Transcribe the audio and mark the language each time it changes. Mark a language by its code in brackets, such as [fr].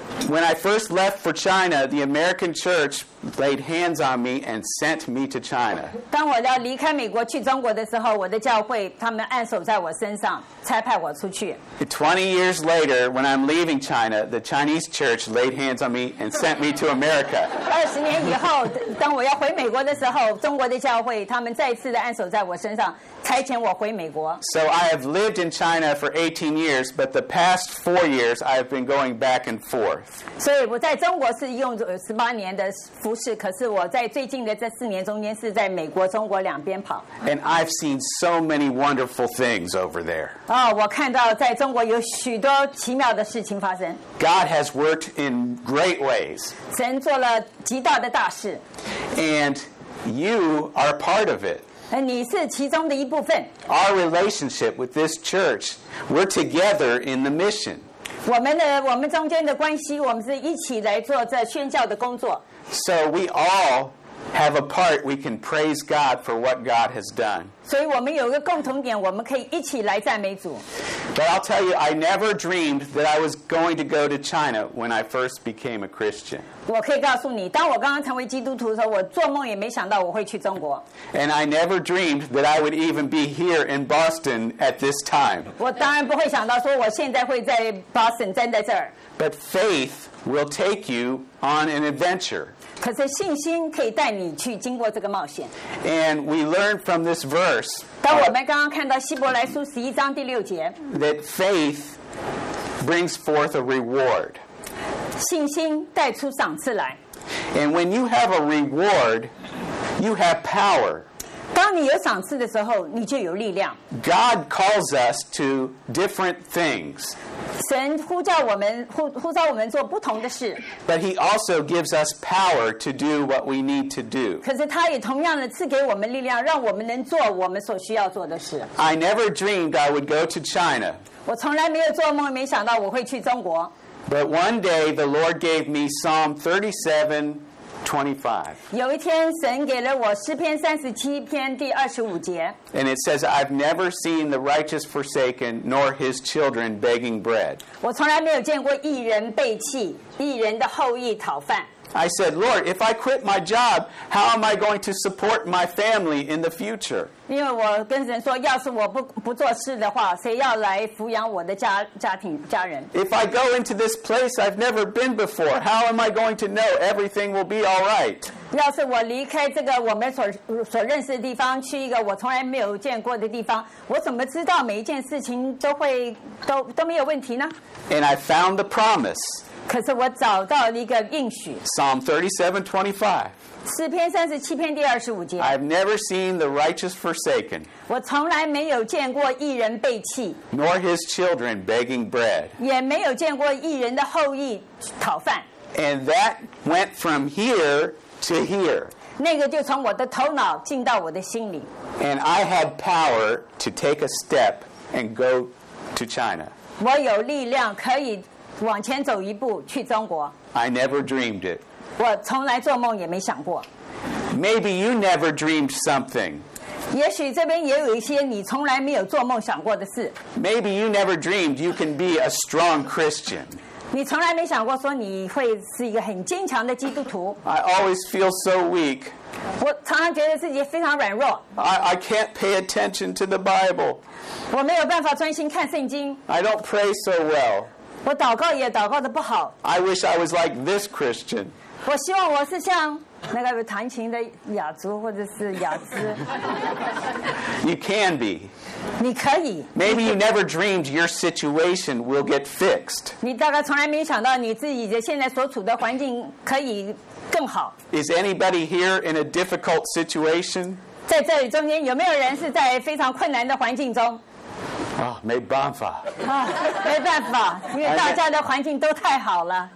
[en] When I first left for China, the American church laid hands on me and sent me to China. [zh] 当我要离开美国去中国的时候，我的教会他们按手在我身上，差派我出去。 [en] 20 years later, when I'm leaving China, the Chinese church laid hands on me and sent me to America. [zh] 20年以后，当我要回美国的时候，中国的教会他们再次的按手在我身上，差遣我回美国。 [en] So I have lived in China for 18 years, but the past 4 years I have been going back and forth. [zh] 所以我在中国是用18年的服侍，可是我在最近的这四年中间是在美国、中国两边跑。 [en] And I've seen so many wonderful things over there. [zh] 哦，我看到在中国有许多奇妙的事情发生。 [en] God has worked in great ways. [zh] 神做了极大的大事。 [en] And you are part of it. [zh] 你是其中的一部分。 [en] Our relationship with this church, we're together in the mission. [zh] 我们中间的关系，我们是一起来做这宣教的工作。 [en] So we all have a part we can praise God for what God has done. [zh] 所以我们有一个共同点，我们可以一起来赞美主。 [en] But I'll tell you, I never dreamed that I was going to go to China when I first became a Christian. [zh] 我可以告诉你，当我刚刚成为基督徒的时候，我做梦也没想到我会去中国。 [en] And I never dreamed that I would even be here in Boston at this time. [zh] 我当然不会想到说我现在会在 Boston 站在这儿。 [en] But faith will take you on an adventure. [zh] 可是信心可以带你去经过这个冒险。 [en] And we learn from this verse. [zh] 当我们刚刚看到希伯来书十一章第六节。 [en] That faith brings forth a reward. [zh] 信心带出赏赐来。 [en] And when you have a reward, you have power. [zh] 当你有赏赐的时候，你就有力量。 [en] God calls us to different things. [zh] 神呼召我们做不同的事。 [en] But he also gives us power to do what we need to do. [zh] 可是他也同样的赐给我们力量，让我们能做我们所需要做的事。 [en] I never dreamed I would go to China. [zh] 我从来没有做梦，没想到我会去中国。 [en] But one day the Lord gave me Psalm 37:25. [zh] 有一天神给了我诗篇三十七篇第二十五节。 [en] And it says, I've never seen the righteous forsaken, nor his children begging bread. [zh] 我从来没有见过义人背弃，义人的后裔讨饭。 [en] I said, Lord, if I quit my job, how am I going to support my family in the future? [zh] 因为我跟神说，要是我不做事的话，谁要来抚养我的家人？ [en] If I go into this place I've never been before, how am I going to know everything will be all right? [zh] 要是我离开这个我们所认识的地方，去一个我从来没有见过的地方，我怎么知道每一件事情都没有问题呢？ [en] And I found the promise. [zh] 可是我找到了一个应许。 [en] Psalm 37:25. [zh] 诗篇三十七篇第二十五节。 [en] I've never seen the righteous forsaken. [zh] 我从来没有见过义人背弃。 [en] Nor his children begging bread. [zh] 也没有见过义人的后裔讨饭。 [en] And that went from here to here. [zh] 那个就从我的头脑进到我的心里。 [en] And I had power to take a step and go to China. [zh] 我有力量可以。往前走一步去中国。 [en] I never dreamed it. [zh] 我从来做梦也没想过。 [en] Maybe you never dreamed something. [zh] 也许这边也有一些你从来没有做梦想过的事。 [en] Maybe you never dreamed you can be a strong Christian. [zh] 你从来没想过说你会是一个很坚强的基督徒。 [en] I always feel so weak. [zh] 我常常觉得自己非常软弱。 [en] I can't pay attention to the Bible. [zh] 我没有办法专心看圣经。 [en] I don't pray so well. [zh] 我祷告也祷告得不好。 [en] I wish I was like this Christian. [zh] 我希望我是像那个弹琴的雅竹或者是雅姿。 [en] You can be. [zh] 你可以。 [en] Maybe you never dreamed your situation will get fixed. [zh] 你大概从来没想到你自己现在所处的环境可以更好。 [en] Is anybody here in a difficult situation? [zh] 在这里中间有没有人是在非常困难的环境中？没办法。没办法，因为大家的环境都太好了。